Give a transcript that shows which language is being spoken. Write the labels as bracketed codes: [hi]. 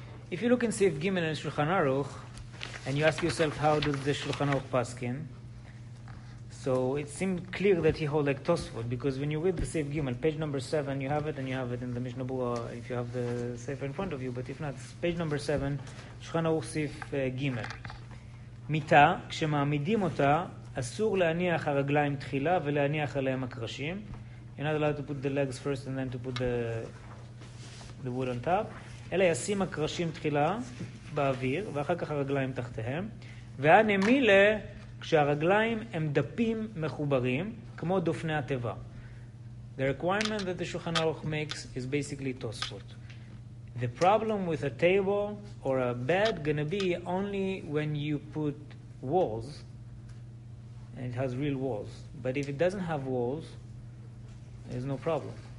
[en] If you look in Sif Gimel and Shulchan Aruch, and you ask yourself, how does the Shulchan Aruch paskin? So it seemed clear that he holds like Tosfot, because when you read the Sif Gimel, page number 7, you have it, and you have it in the Mishnah Berurah, if you have the Sefer in front of you, but if not, it's page number 7, Shulchan Aruch Sif Gimel. [he] Mita, כשמעמידים אותה, אסור להניח הרגליים תחילה ולהניח עליהם הקרשים. [en] You're not allowed to put the legs first and then to put the wood on top. [he] אלא ישים הקרשים תחילה באוויר, ואחר כך הרגליים תחתיהם. והנמילה, כשהרגליים הם דפים מחוברים, כמו דופני הטבע. [en] The requirement that the Shulchan Aruch makes is basically Tosfot. The problem with a table or a bed gonna be only when you put walls, and it has real walls. But if it doesn't have walls, there's no problem.